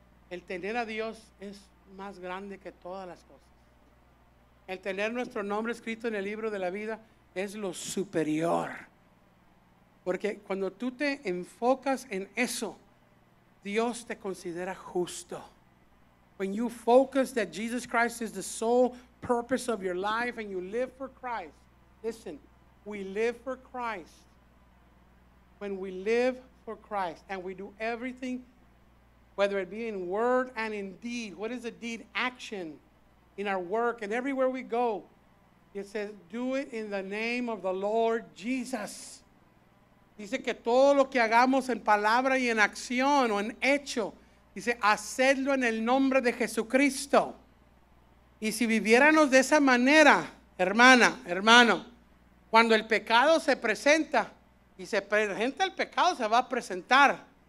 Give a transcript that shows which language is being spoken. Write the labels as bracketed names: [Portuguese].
[Spanish] El tener a Dios es más grande que todas las cosas. El tener nuestro nombre escrito en el libro de la vida es lo superior. Porque cuando tú te enfocas en eso, Dios te considera justo. [English] When you focus that Jesus Christ is the sole purpose of your life and you live for Christ. Listen, we live for Christ. When we live for Christ and we do everything, whether it be in word and in deed. What is a deed? Action. In our work and everywhere we go. It says, do it in the name of the Lord Jesus. [Spanish] Dice que todo lo que hagamos en palabra y en acción o en hecho, dice, hacedlo en el nombre de Jesucristo. Y si viviéramos de esa manera, hermana, hermano, cuando el pecado se presenta, y se presenta el pecado, se va a presentar.